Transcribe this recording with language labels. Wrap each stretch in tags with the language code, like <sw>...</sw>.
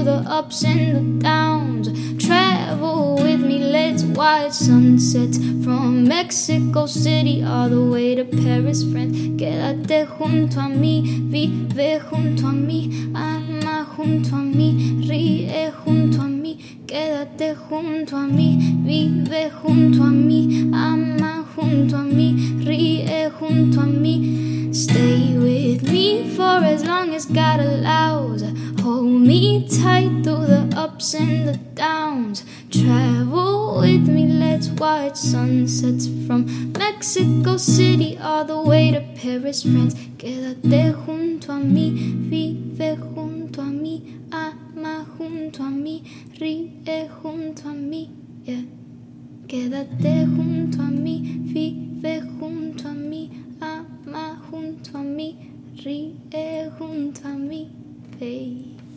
<en>Ups and the downs, travel with me, let's watch sunsets from Mexico City all the way to Paris, France.</en> <es>Quédate junto a mí, vive junto a mí, ama junto a mí, ríe junto a mí. Quédate junto a mí, vive junto a mí, ama junto a mí, ríe junto a mí.</es> <en>Stay with me for as long as God allows. Hold me tight through the ups and the downs. Travel with me, let's watch sunsets from Mexico City all the way to Paris, France.</en> <es>Quédate junto a mí, vive junto a mí, ama junto a mí, ríe junto a mí, yeah. Quédate junto a mí, vive junto a mí, ama junto a mí, ríe junto a mí, hey.</es>